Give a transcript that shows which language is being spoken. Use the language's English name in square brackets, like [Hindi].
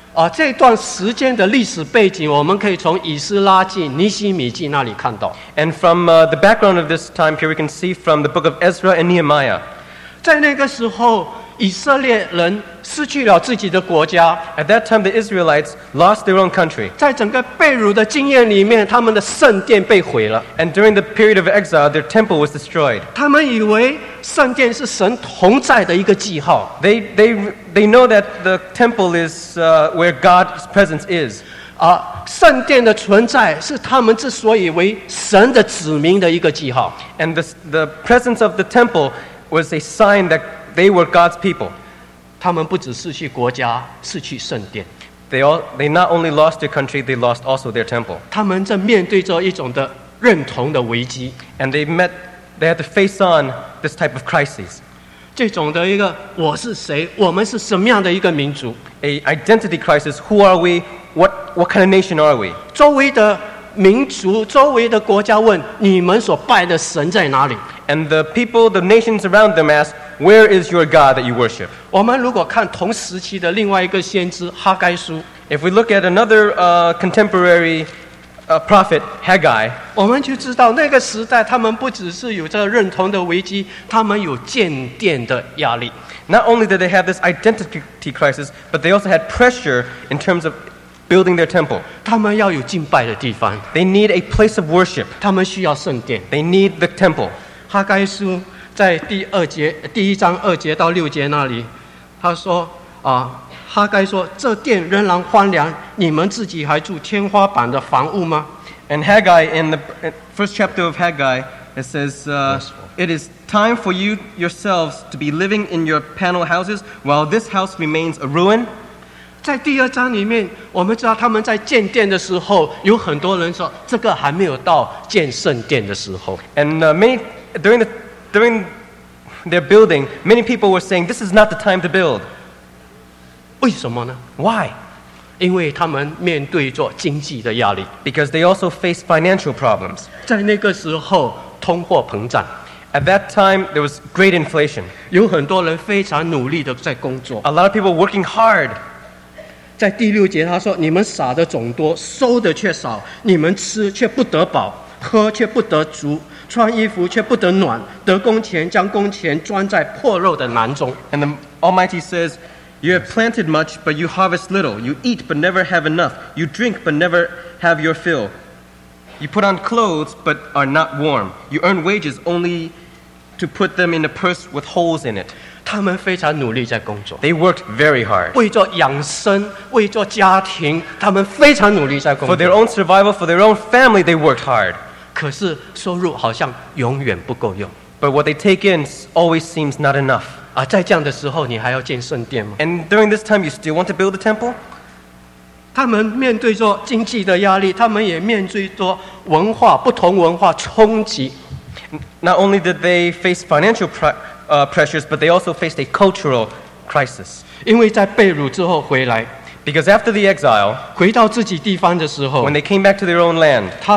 [Chinese] 这段时间的历史背景，我们可以从以斯拉记、尼希米记那里看到。 [English] And from the background of this time period, we can see from the book of Ezra and Nehemiah. [Chinese] 在那个时候，以色列人失去了自己的国家。 [English] At that time, the Israelites lost their own country. [Chinese] 在整个被掳的经验里面，他们的圣殿被毁了。 [English] And during the period of exile, their temple was destroyed. [Chinese] 他们以为圣殿是神同在的一个记号。 [English] They know that the temple is where God's presence is. [Chinese] 圣殿的存在是他们之所以为神的子民的一个记号。 [English] And the presence of the temple was a sign that they were God's people. [Chinese] 他们不只失去国家，失去圣殿。 [English] They not only lost their country, they lost also their temple. [Chinese] 他们在面对着一种的认同的危机。 [English] And they had to face on. This type of crisis. [Chinese] 这种的一个我是谁，我们是什么样的一个民族 [English] ？A identity crisis. Who are we? What kind of nation are we? [Chinese] 周围的民族，周围的国家问你们所拜的神在哪里 [English] ？And the people, the nations around them ask, "Where is your God that you worship?" [Chinese] 我们如果看同时期的另外一个先知哈该书 [English] ，If we look at another contemporary. Prophet Haggai. [Chinese] 我们就知道那个时代，他们不只是有这认同的危机，他们有建殿的压力。 [English] Not only did they have this identity crisis, but they also had pressure in terms of building their temple. [Chinese] 他们要有敬拜的地方。 [English] They need a place of worship. [Chinese] 他们需要圣殿。 [English] They need the temple. [Chinese] 哈该书在第一章二节到六节那里，他说哈该说：“这殿仍然荒凉，你们自己还住天花板的房屋吗 [English] ？”And Haggai in the first chapter of Haggai, it says, "It is time for you yourselves to be living in your panel houses, while this house remains a ruin." [Chinese] 在第二章里面，我们知道他们在建殿的时候，有很多人说这个还没有到建圣殿的时候。 [English] And during their building, many people were saying, "This is not the time to build." [Chinese] 为什么呢 [English] ？Why？ [Chinese] 因为他们面对着经济的压力。 [English] Because they also face financial problems. [Chinese] 在那个时候，通货膨胀。 [English] At that time, there was great inflation. [Chinese] 有很多人非常努力的在工作。 [English] A lot of people working hard. [Chinese] 在第六节他说：“你们撒的种多，收的却少；你们吃却不得饱，喝却不得足。” 穿衣服却不得暖，得工钱将工钱装在破肉的囊中。 [English] And the Almighty says, You have planted much, but you harvest little. You eat, but never have enough. You drink, but never have your fill. You put on clothes, but are not warm. You earn wages only to put them in a purse with holes in it. They worked very hard. [Chinese] 为做养生, 为做家庭, 他们非常努力在工作。 [English] For their own survival, for their own family, they worked hard. [Chinese] 可是收入好像永远不够用。 [English] But what they take in always seems not enough. [Chinese] 在这样的时候你还要建圣殿吗? [English] And during this time, you still want to build the temple? [Chinese] 他们面对着经济的压力, 他们也面对着文化不同文化冲击。 [English] Not only did they face financial pressures, but they also faced a cultural crisis. [Chinese] 因为在被掳之后回来, [English] because after the exile, [Chinese] 回到自己地方的时候, [English] when they came back to their own land,